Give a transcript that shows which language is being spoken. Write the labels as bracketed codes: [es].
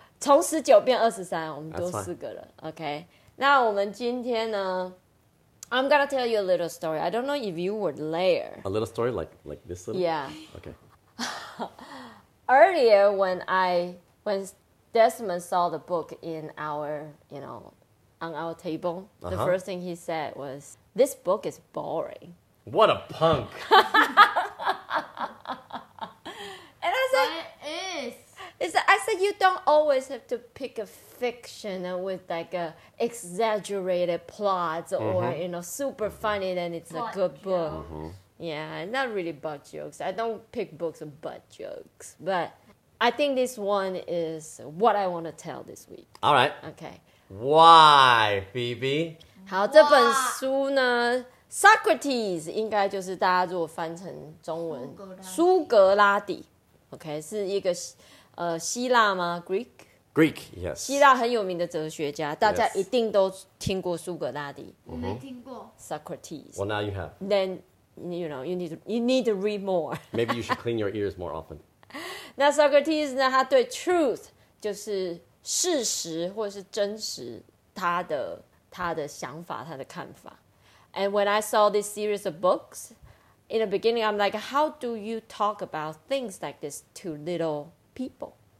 [zh] 从19变23, 我们多4个人, okay? 那我们今天呢, [en] I'm gonna tell you a little story. I don't know if you were there. A little story like this little? Yeah. Okay. Earlier when Desmond saw the book in our, you know, on our table, the first thing he said was, "This book is boring." What a punk. And I said, I said you don't always have to pick a fiction with like a exaggerated plot or you know super funny then it's butt a good book. Mm-hmm. Yeah, not really butt jokes. I don't pick books of butt jokes. But I think this one is what I want to tell this week. All right. Okay. Why, Phoebe? [zh] 好,这本书呢, Socrates 应该就是大家如果翻成中文, 苏格拉底。 Okay, 是一个 希腊吗? [en] Greek? Greek, yes. [zh] 希腊很有名的哲学家, 大家一定都听过苏格拉底。没听过。 [en] Socrates. Well, now you have. Then, you know, you need to read more. Maybe you should clean your ears more often. [zh] 那 Socrates 呢, 他对 truth, 就是事实或是真实, 他的想法, 他的看法。 [en] And when I saw this series of books, in the beginning, I'm like, how do you talk about things like this to little people?